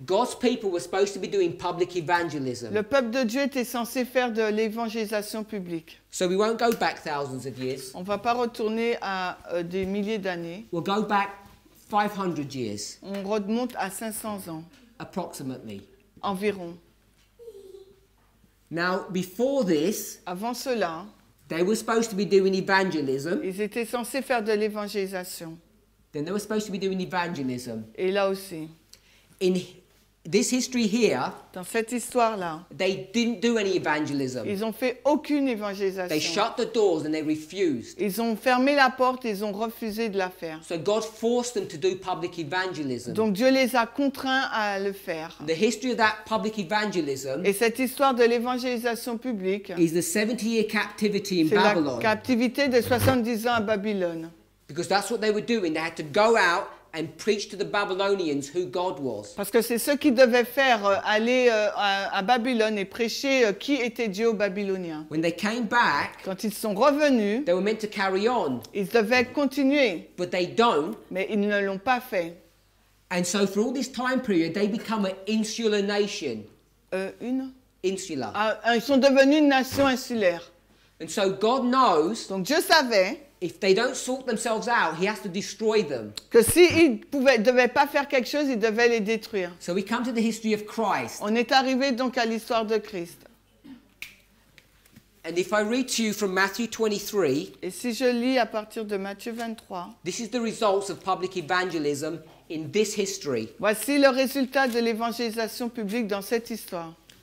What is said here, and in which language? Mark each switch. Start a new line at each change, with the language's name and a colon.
English: God's people were supposed to be doing public evangelism.
French: Le peuple de Dieu était censé faire de l'évangélisation publique.
English: So we won't go back thousands of years.
French: On ne va pas retourner à des milliers d'années.
English: We'll go back 500 years.
French: On remonte à 500 ans.
English: Approximately.
French: Environ.
English: Now, before this,
French: avant cela.
English: They were supposed to be doing evangelism.
French: Ils étaient censés faire de l'évangélisation.
English: Then they were supposed to be doing evangelism.
French: Et là aussi.
English: In this history here,
French: dans cette histoire-là,
English: they didn't do any evangelism.
French: Ils ont fait aucune évangélisation.
English: They shut the doors and they refused.
French: Ils ont fermé la porte et ils ont refusé de la faire.
English: So God forced them to do public evangelism.
French: Donc Dieu les a contraints à le faire.
English: The history of that public evangelism.
French: Et cette histoire de l'évangélisation publique.
English: Is the 70-year captivity in Babylon.
French: C'est la captivité de 70 ans à Babylone.
English: Because that's what they were doing. They had to go out and preach to the Babylonians who God was.
French: Parce que c'est ce qu'ils devaient faire, aller à Babylone et prêcher qui était Dieu aux Babyloniens.
English: When they came back,
French: quand ils sont revenus,
English: they were meant to carry on.
French: Ils devaient continuer.
English: But they don't.
French: Mais ils ne l'ont pas fait.
English: And so for all this time period, they become an insular nation.
French: Insular. Ils sont devenus une nation insulaire.
English: And so God knows.
French: Donc Dieu savait.
English: If they don't sort themselves out, he has to destroy them.
French: Que s'ils ne devaient pas faire quelque chose, ils devaient les détruire.
English: So we come to the history of Christ.
French: On est arrivé donc à l'histoire de Christ.
English: And if I read to you from Matthew 23.
French: Et si je lis à partir de Matthieu 23.
English: This is the results of public evangelism in this history.
French: Voici le résultat de l'évangélisation publique dans cette histoire.